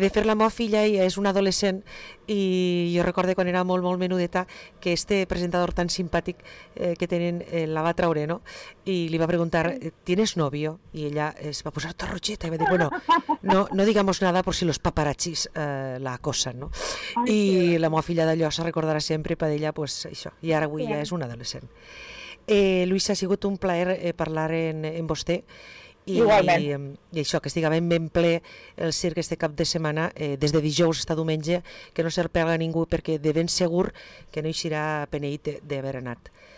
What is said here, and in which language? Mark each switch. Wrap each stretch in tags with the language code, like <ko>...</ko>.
<ca>De fer la meva filla ja és una adolescent i jo recordo quan era molt, molt menudeta que este presentador tan simpàtic que tenen la va traure, no? I li va preguntar,</ca> <es>¿tienes novio?</es> <ca>I ella es va posar tota roxeta i va dir, bueno,</ca> <es>no, no digamos nada por si los paparazzis la acosan,</es> <ca>no? Ai, i sí. La meva filla d'allò se recordarà sempre per ella, pues, això. I ara avui sí. Ja és una adolescent. Luisa, ha sigut un plaer parlar en vostè. I, igualment. I això, que estigui ben ple el circ este cap de setmana, des de dijous fins a diumenge, que no se'l pega ningú perquè de ben segur que no hi serà penedit d'haver anat.</ca>